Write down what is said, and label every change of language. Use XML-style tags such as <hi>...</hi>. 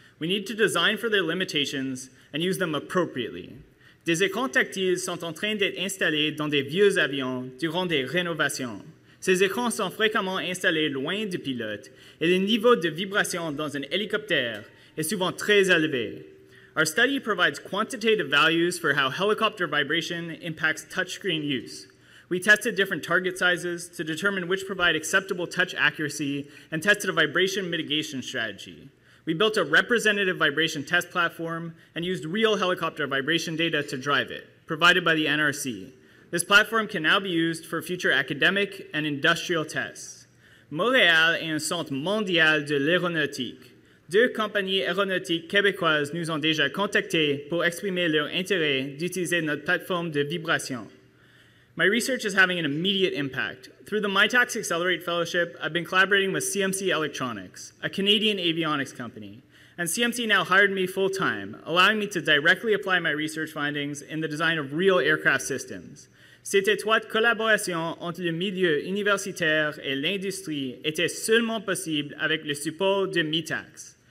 <en>We need to design for their limitations and use them appropriately.</en> <fr>Des écrans tactiles sont en train d'être installés dans des vieux avions durant des rénovations. Ces écrans sont fréquemment installés loin du pilote, et le niveau de vibration dans un hélicoptère est souvent très élevé.</fr> <en>Our study provides quantitative values for how helicopter vibration impacts touchscreen use. We tested different target sizes to determine which provide acceptable touch accuracy and tested a vibration mitigation strategy. We built a representative vibration test platform and used real helicopter vibration data to drive it, provided by the NRC. This platform can now be used for future academic and industrial tests.</en> <fr>Montréal est un centre mondial de l'aéronautique. Deux compagnies aéronautiques québécoises nous ont déjà contactés pour exprimer leur intérêt d'utiliser notre plateforme de vibration.</fr> <en>My research is having an immediate impact. Through the MITAX Accelerate Fellowship, I've been collaborating with CMC Electronics, a Canadian avionics company, and CMC now hired me full-time, allowing me to directly apply my research findings in the design of real aircraft systems.</en> <fr>Cette étroite collaboration entre le milieu universitaire et l'industrie était seulement possible avec le support de MITAX.</fr>